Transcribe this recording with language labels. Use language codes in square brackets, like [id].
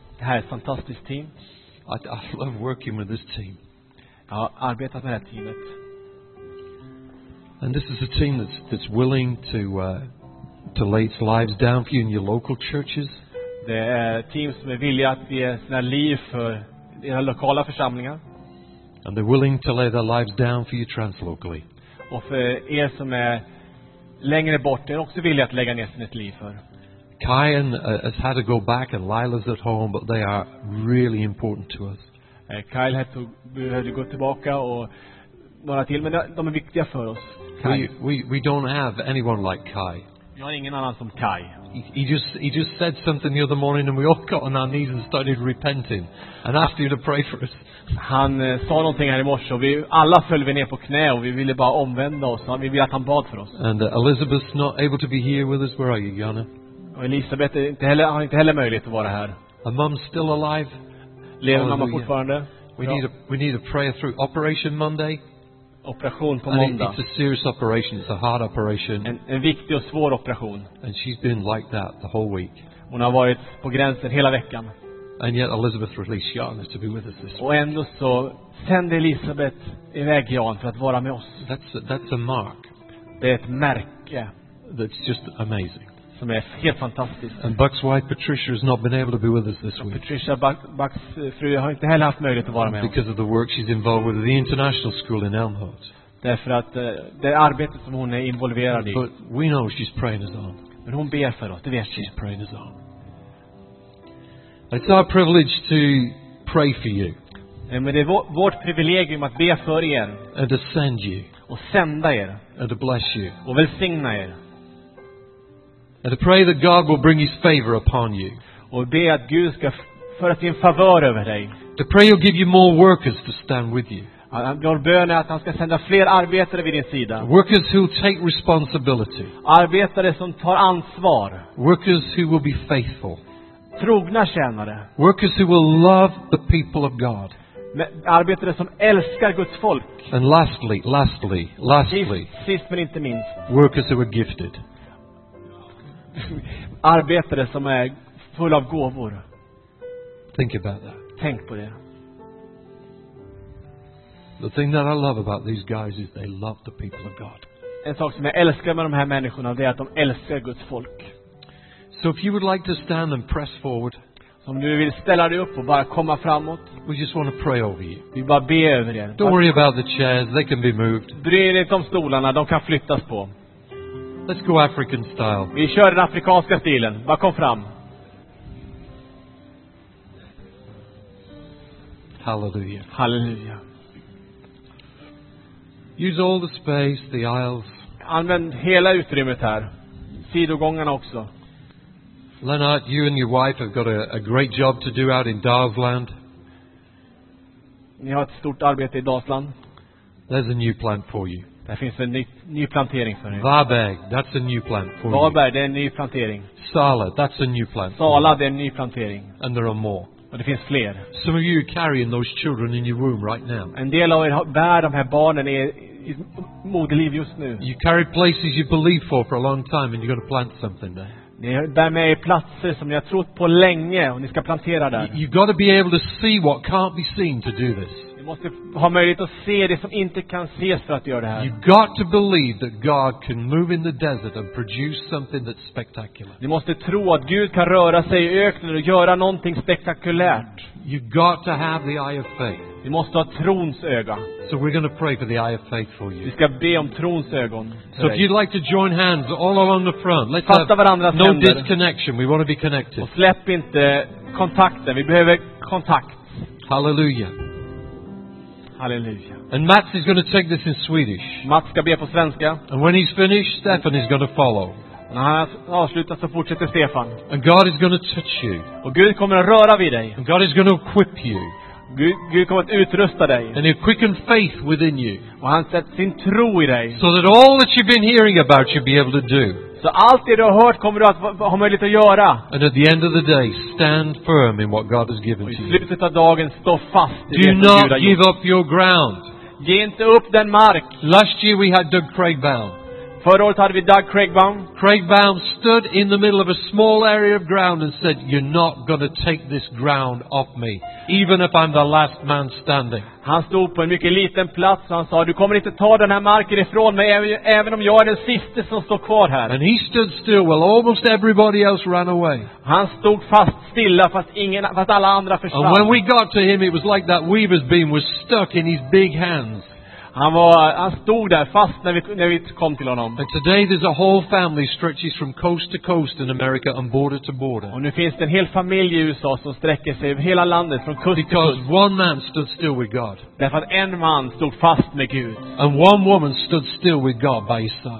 [sv] Det här är ett fantastiskt team. [en] I love working with this team. [sv] Jag har arbetat med det här teamet. [en] And this is a team that's willing to lay its lives down for you in your local churches. [sv] Det är team som är villiga att ge sina liv för era lokala församlingar. [en] And they're willing to lay their lives down for you translocally. [sv] Och för er som är längre bort är också villiga att lägga ner sitt liv för. [en] Kyan has had to go back and Lila's at home, but they are really important to us. [sv] Kyle [en] had to [sv] behövde gå tillbaka och några till, men de är viktiga för oss. [en] We don't have anyone like Kai. [sv] Jag har ingen annan som Kai. [en] He just said something the other morning and we all got on our knees and started repenting and asked you to pray for us. [sv] Han sa någonting här i morse och vi alla föll ner på knä och vi ville bara omvända oss. Vi ville att han bad för oss. [en] And Elizabeth's not able to be here with us. Where are you, Jana? [sv] Och Elisabeth har inte heller möjlighet att vara här. [en] Her mom's still alive. [sv] Lever mamma fortfarande? [en] We need a prayer through Operation Monday. [sv] Operation på måndag. [en] It's a serious operation. It's a hard operation. [sv] En viktig och svår operation. [en] And she's been like that the whole week. [sv] Hon har varit på gränsen hela veckan. [en] And yet Elizabeth released Jan to be with us this week. [sv] Och ändå så sände Elisabeth iväg Jan för att vara med oss. [en] That's a mark. [sv] Det är ett märke. [en] That's just amazing. [sv] Som är helt fantastiskt. [en] And Buck's wife Patricia has not been able to be with us this week. [sv] Patricia, Buck's fru, har inte heller haft möjlighet att vara med. [en] Because of the work she's involved with the international school in Elmhurst. [sv] Därför att det arbete som hon är involverad i. [en] But we know she's praying as on. [sv] Men hon ber för oss. Det vet [en] she's praying as on. It's our privilege to pray for you. [sv] Men det är vårt privilegium att be för er. [en] And to send you. [sv] Och sända er. [en] And to bless you. [sv] Och välsigna er. [en] And to pray that God will bring His favor upon you. [sv] Och be att Gud ska föra sin favör över dig. [en] To pray He'll give you more workers to stand with you. [sv] Vår bön är att han ska sända fler arbetare vid din sida. [en] Workers who take responsibility. [sv] Arbetare som tar ansvar. [en] Workers who will be faithful. [sv] Trogna tjänare. [en] Workers who will love the people of God. [sv] Arbetare som älskar Guds folk. [en] And lastly. [sv] Sist men inte minst. [en] Workers who are gifted. [sv] Arbetare som är full av gåvor. [en] Think about that. [sv] Tänk på det. [en] The thing that I love about these guys is they love the people of God. [sv] En sak som jag älskar med de här människorna är att de älskar Guds folk. [en] So if you would like to stand and press forward. [sv] Om du vill ställa dig upp och bara komma framåt. [en] We just want to pray over you. [sv] Vi bara ber över er. [en] Don't worry about the chairs, they can be moved. [sv] Bry dig inte om stolarna, de kan flyttas på. [en] Let's go African style. [sv] Vi kör den afrikanska stilen. Bara kom fram. Hallelujah. Hallelujah. [en] Use all the space, the aisles. [sv] Använd hela utrymmet här. Sidogångarna också. [en] Lennart, you and your wife have got a great job to do out in Dalsland. [sv] Ni har ett stort arbete i Dalsland. [en] There's a new plant for you. [sv] Där finns en ny plantering för er. [en] Varberg, that's a new plant for you. [sv] Varberg, det är en ny plantering. [en] Sala, that's a new plant. [sv] Sala, det är en ny plantering. [en] And there are more. [sv] Och det finns fler. [en] Some of you are carrying those children in your womb right now. [sv] En del av er bär de här barnen i moderliv just nu. [en] You carry places you believe for a long time and you're going to plant something there. [sv] Ni bär med er platser som ni har trott på länge och ni ska plantera där. [en] You've got to be able to see what can't be seen to do this. [sv] Du måste ha möjlighet att se det som inte kan ses för att göra det här. [en] You've got to believe that God can move in the desert and produce something that's spectacular. [sv] Du måste tro att Gud kan röra sig i öknen och göra någonting spektakulärt. [en] You've got to have the eye of faith. [sv] Du måste ha trons öga. [en] So we're going to pray for the eye of faith for you. [sv] Vi ska be om trons ögon. [en] So if you'd like to join hands all along the front. Let's [sv] fasta varandras händer. [en] No disconnection. We want to be connected. [sv] Och släpp inte kontakten. Vi behöver kontakt. Hallelujah. Halleluja. [en] And Mats is going to take this in Swedish. [sv] Mats ska be på svenska. [en] And when he's finished, Stefan is going to follow. [sv] När han avslutat så fortsätter Stefan. [en] And God is going to touch you. [sv] Och Gud kommer att röra vid dig. [en] And God is going to equip you. [sv] Gud kommer att utrusta dig. [en] And he'll quicken faith within you. [sv] Och han sätter sin tro i dig. [en] So that all that you've been hearing about you'll be able to do. [sv] Så allt det du har hört kommer du att ha möjlighet att göra. [en] And at the end of the day, stand firm in what God has given to you. [sv] I slutet av dagen, stå fast. [en] Do not give up your ground. [sv] Ge inte upp den mark. [en] Last year we had Doug Craigbaum. [sv] Förra året hade vi Doug Craigbaum. [en] Craigbaum stood in the middle of a small area of ground and said, "You're not going to take this ground off me, even if I'm the last man standing." [sv] Han stod på en mycket liten plats och han sa, "Du kommer inte ta den här marken ifrån mig, även om jag är den sista som står kvar här." [en] And he stood still while almost everybody else ran away. [sv] Han stod fast stilla fast alla andra försvann. [en] And when we got to him, it was like that weaver's beam was stuck in his big hands. [sv] Han stod där fast när vi kom till honom. [en] And today there's a whole family stretches from coast to coast in America and border to border. [sv] Och nu finns det en hel familj i USA som sträcker sig över hela landet från kust till kust. [en] Because one man stood still with God. [sv] Därför att en man stod fast med Gud. [en] And one woman stood still with God by his side.